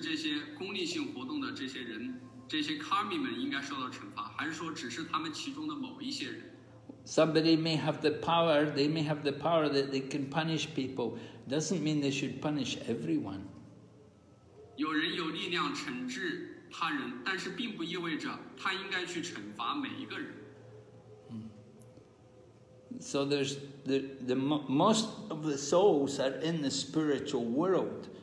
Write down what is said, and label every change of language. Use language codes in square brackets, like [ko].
[zh] 是不是所有从事这些功利性活动的这些人, 这些karmi们应该受到惩罚, 还是说只是他们其中的某一些人? [en] Somebody may have the power, they may have the power that they can punish people. Doesn't mean they should punish everyone. [zh] 有人有力量惩治他人, 但是并不意味着他应该去惩罚每一个人。 [en] So there's the most of the souls are in the spiritual world.